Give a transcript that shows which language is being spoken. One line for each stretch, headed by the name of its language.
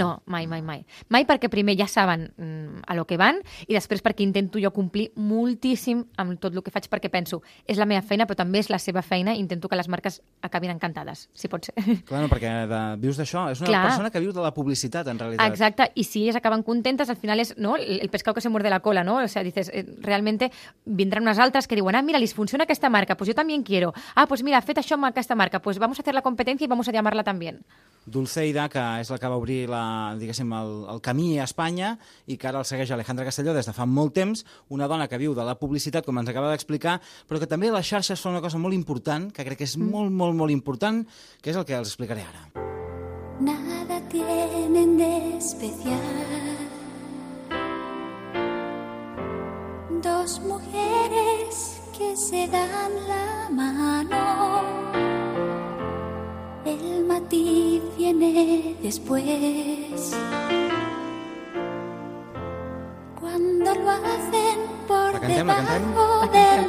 Catalan: No, mai. Mai perquè primer ja saben a lo que van i després perquè intento jo complir moltíssim amb tot el que faig perquè penso, és la meva feina, però també és la seva feina, intento que les marques acabin encantades, si pot ser. Clar, no, perquè vius d'això. És una Clar. Persona que viu de la publicitat, en realitat. Exacte, i si elles acaben contentes, al final és no?
Spanish: el pescau que se muerde la cola, no? O sea, dices, realmente
Catalan: vindran unes altres que diuen, ah, mira, li funciona aquesta marca,
Spanish: pues yo también quiero. Ah, pues mira,
Catalan: ha fet això amb aquesta marca,
Spanish: pues vamos a hacer la competencia y vamos a llamarla también.
Catalan: Dulceida, que és la que va obrir el camí a Espanya i que ara el segueix Alejandra Castelló des de fa molt temps, una dona que viu de la publicitat, com ens acaba d'explicar, però que també les xarxes són una cosa molt important, que crec que és molt important, que és el que els explicaré ara.
Spanish: Nada tienen de especial dos mujeres que se dan la mano. El matiz viene después, cuando lo hacen por debajo del